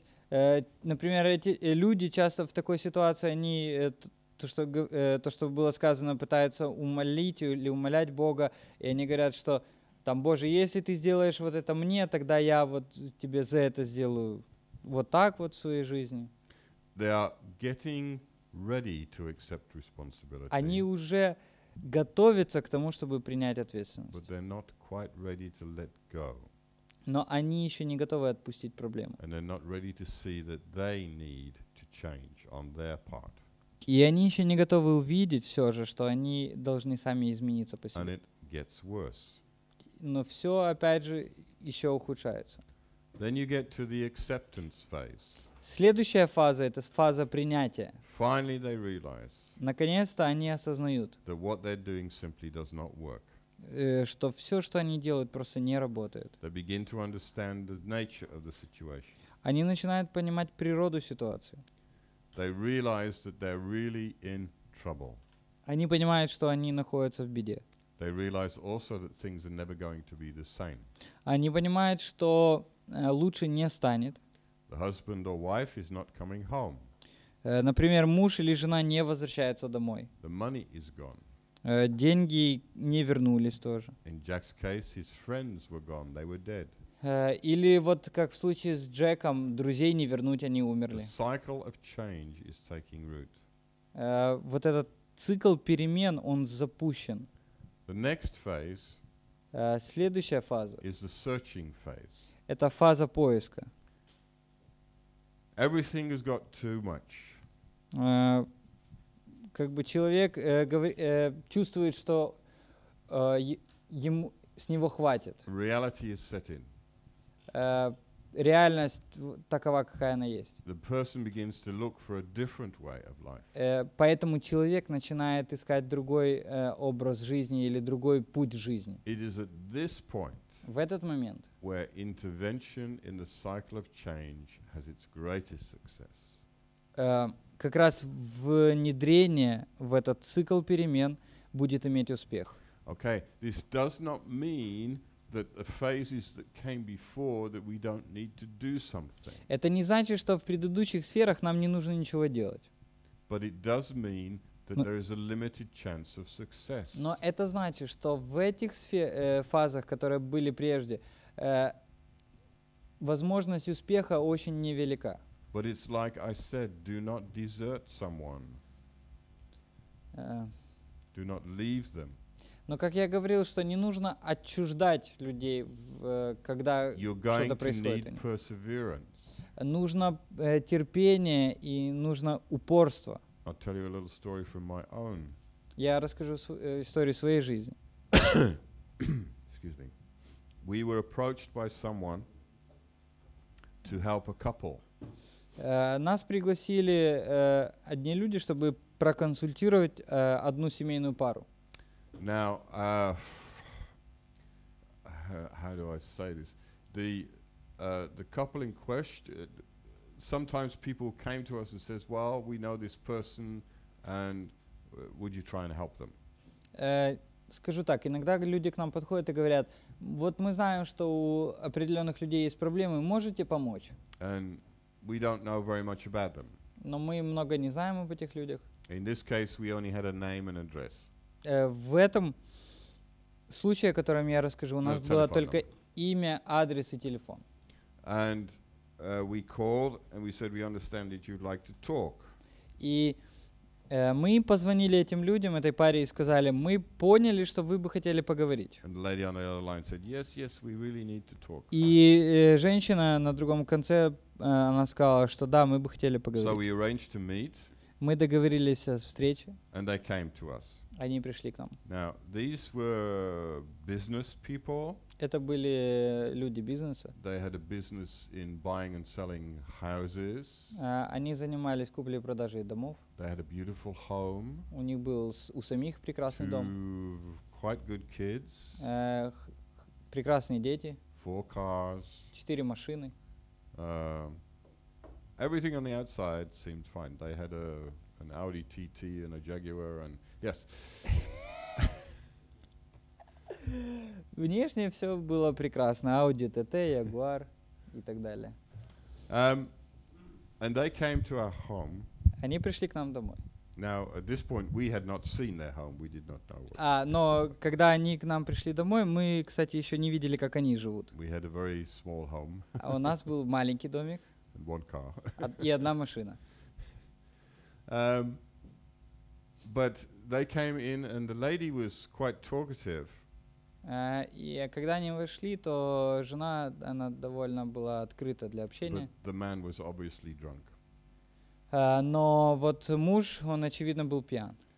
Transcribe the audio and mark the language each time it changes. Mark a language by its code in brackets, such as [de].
[ru] Например, эти люди часто в такой ситуации, они то, что было сказано, пытаются умолить или умолять Бога, и они говорят, что там, Боже, если ты сделаешь вот это мне, тогда я вот тебе за это сделаю вот так вот в своей жизни. [en] They are getting ready to accept responsibility. [ru] Они уже готовятся к тому, чтобы принять ответственность. [en] But they're not quite ready to let go. [ru] Но они еще не готовы отпустить проблему. [en] And they're not ready to see that they need to change on their part. [ru] И они еще не готовы увидеть все же, что они должны сами измениться по себе. [en] And it gets worse. [ru] Но все, опять же, еще ухудшается. [en] Then you get to the acceptance phase. [ru] Следующая фаза — это фаза принятия. [en] Finally they realize, [ru] наконец-то они осознают, [en] that what they're doing simply does not work. [ru] Что все, что они делают, просто не работает. [en] They begin to understand the nature of the situation. [ru] Они начинают понимать природу ситуации. [en] They realize that they're really in trouble. [ru] Они понимают, что они находятся в беде. [en] They realize also that things are never going to be the same. [ru] Они понимают, что лучше не станет. [en] The husband or wife is not coming home. [ru] Например, муж или жена не возвращаются домой. [en] The money is gone. [ru] Деньги не вернулись тоже. [en] In Jack's case, his friends were gone. They were dead. [ru] Или вот как в случае с Джеком, друзей не вернуть, они умерли. [en] The cycle of change is taking root. [ru] Вот этот цикл перемен, он запущен. [en] The next phase [ru] следующая фаза [en] is the searching phase. [ru] Это фаза поиска. [en] Everything has got too much. [ru] Как бы человек чувствует, что ему с него хватит. [en] Reality is set in. [ru] Реальность такова, какая она есть. [en] The person begins to look for a different way of life. [ru] Поэтому человек начинает искать другой образ жизни или другой путь жизни. [en] It is at this point, [ru] в этот момент, [en] where intervention in the cycle of change has its greatest success. [ru] Как раз внедрение в этот цикл перемен будет иметь успех. [en] Okay, this does not mean that the phases that came before that we don't need to do something. [ru] Это не значит, что в предыдущих сферах нам не нужно ничего делать. [en] But it does mean that there is a limited chance of success. [ru] Но это значит, что в этих фазах, которые были прежде, возможность успеха очень невелика. [en] But it's like I said, do not desert someone. Do not leave them. [ru] Но как я говорил, что не нужно отчуждать людей, когда что-то происходит. Нужно терпение и нужно упорство. [en] I'll tell you a little story from my own. [ru] Я расскажу историю своей жизни. [en] Excuse me. We were approached by someone to help a couple. [ru] Нас пригласили одни люди, чтобы проконсультировать одну семейную пару. [en] Now, how do I say this? The couple in question, sometimes people came to us and says, well, we know this person, and would you try and help them? [ru] Скажу так, иногда люди к нам подходят и говорят, вот мы знаем, что у определенных людей есть проблемы, можете помочь? [en] And we don't know very much about them. [ru] Но мы много не знаем об этих людях. [en] In this case, we only had a name and address. [ru] В этом случае, о котором я расскажу, у нас было только имя, адрес и телефон. [en] And we called and we said we understand that you'd like to talk. [ru] И мы позвонили этим людям, этой паре, и сказали: мы поняли, что вы бы хотели поговорить. [en] Said, yes, yes, really. [ru] И женщина на другом конце, она сказала, что да, мы бы хотели поговорить. [en] So meet, [ru] мы договорились о встрече. Они пришли к нам. [en] Now, these were business people. [ru] Это были люди бизнеса. [en] They had a business in buying and selling houses. [ru] Они занимались куплей-продажей домов. [en] They had a beautiful home. [ru] У них был у самих прекрасный [en] two [ru] дом. [en] Quite good kids. [ru] Прекрасные дети. [en] Four cars. [ru] Четыре машины. [en] Everything on the outside seemed fine. They had an Audi TT and a Jaguar and yes. [ru] Внешне все было прекрасно. Audi, TT, Jaguar и так далее. [en] And they came to our home. [ru] Они пришли к нам домой. [en] Now, at this point, we had not seen their home. We did not know. [ru] Но когда они к нам пришли домой, мы, кстати, еще не видели, как они живут. [en] We had a very small home. [ru] У нас был маленький домик. [en] And one car. [ru] И одна машина. [en] But they came in, and the lady was quite talkative. [ru] И когда они вошли, то жена, она довольно была открыта для общения. [en] But the man was obviously drunk. [ru] Но вот муж, он очевидно был пьян.